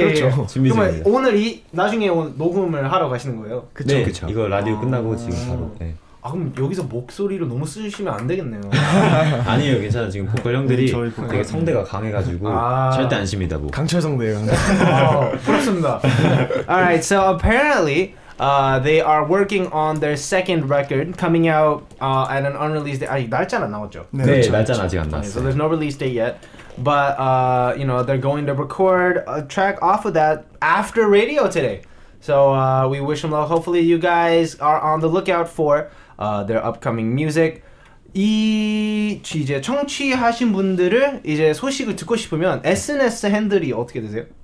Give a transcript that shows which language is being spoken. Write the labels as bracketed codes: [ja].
[ko] 그렇죠. 준비 중이에요. 그러면 오늘 이, 나중에 녹음을 하러 가시는 거예요? 그렇죠. 네, 그렇죠. 이거 라디오 끝나고 지금 바로. 네. 아, 그럼 여기서 목소리를 너무 쓰시면 안 되겠네요. 아니에요, 괜찮아. 지금 보컬 형들이 되게 성대가 강해가지고 아~ 절대 안 쉽니다, 뭐. 강철 성대예요. 아, 부럽습니다. [en] Alright, so apparently they are working on their second record coming out at an unreleased date. [ko] 아직 날짜는 안 나왔죠? 네, 그렇죠, 네 날짜는 그렇죠. 아직 안 나왔어요. [en] So there's no release date yet. But, you know, they're going to record a track off of that after radio today. So we wish them luck. Hopefully you guys are on the lookout for their upcoming music. [ko] 이 이제 청취하신 분들을 이제 소식을 듣고 싶으면 SNS 핸들이 어떻게 되세요?